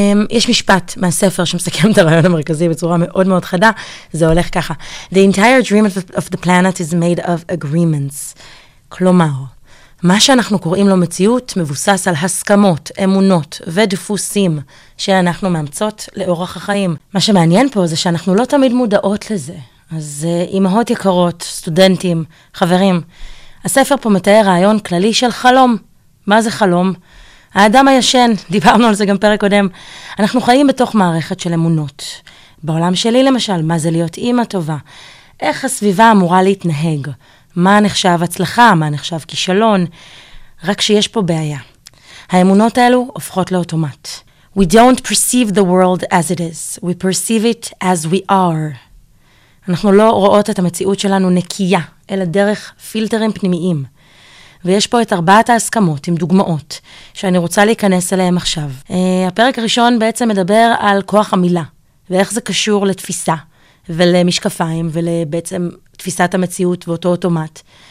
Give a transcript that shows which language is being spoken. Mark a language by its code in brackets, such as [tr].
[he] יש משפט מהספר שמסכם את הרעיון המרכזי בצורה מאוד מאוד חדה. זה הולך ככה. [en] The entire dream of the planet is made of agreements. [he] כלומר, מה שאנחנו קוראים לו מציאות מבוסס על הסכמות, אמונות ודפוסים שאנחנו מאמצות לאורך החיים. מה שמעניין פה זה שאנחנו לא תמיד מודעות לזה. אז אמהות יקרות, סטודנטים, חברים, הספר פה מתאר רעיון כללי של חלום. מה זה חלום? האדם הישן, דיברנו על זה גם פרק קודם. אנחנו חיים בתוך מערכת של אמונות. בעולם שלי למשל, מה זה להיות אימא טובה? איך הסביבה אמורה להתנהג? מה נחשב הצלחה? מה נחשב כישלון? רק שיש פה בעיה. האמונות האלו הופכות לאוטומט. [en] We don't perceive the world as it is. We perceive it as we are. [he] אנחנו לא רואות את המציאות שלנו נקייה, אלא דרך פילטרים פנימיים. ויש פה את ארבעת ההסכמות עם דוגמאות שאני רוצה להיכנס אליהם עכשיו. הפרק הראשון בעצם מדבר על כוח המילה, ואיך זה קשור לתפיסה ולמשקפיים ובעצם תפיסת המציאות ואותו אוטומט.